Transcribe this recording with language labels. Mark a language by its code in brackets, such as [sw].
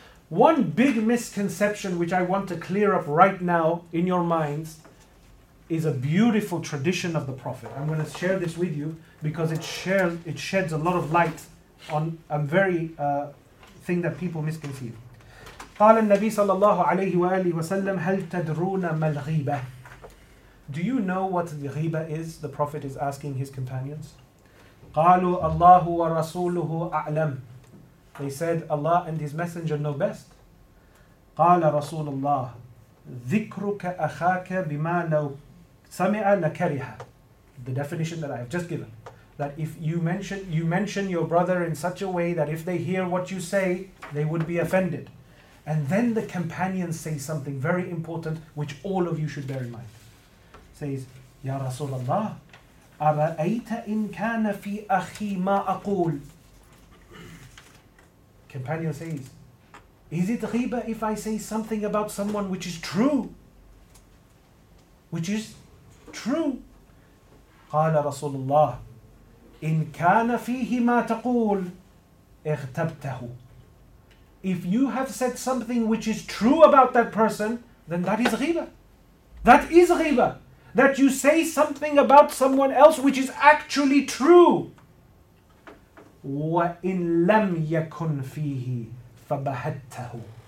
[en] One big misconception which I want to clear up right now in your minds is a beautiful tradition of the Prophet. I'm going to share this with you because it sheds a lot of light on a very thing that people misconceive. [ar] قال النبي صلى الله عليه وآله وسلم هل تدرون ما الغيبة. [en] Do you know what the ghiba is? The Prophet is asking his companions. [ar] قالوا الله ورسوله أعلم. [en] They said, Allah and His Messenger know best. [ar] قال رسول الله ذكرك أخاك بما لو سمع لكرها. [en] The definition that I have just given. That if you mention your brother in such a way that if they hear what you say, they would be offended. And then the companions say something very important, which all of you should bear in mind. Says, [ar] يا رسول الله أرأيت إن كان في أخي ما أقول. [en] Companion says, is it ghiba if I say something about someone which is true? Which is true. [ar] قال رسول الله إن كان فيه ما تقول اغتبته. [en] If you have said something which is true about that person, then that is ghiba. That is ghiba. That you say something about someone else which is actually true. [ar] وَإِن لَمْ يَكُنْ فِيهِ فَبَهَتَّهُ.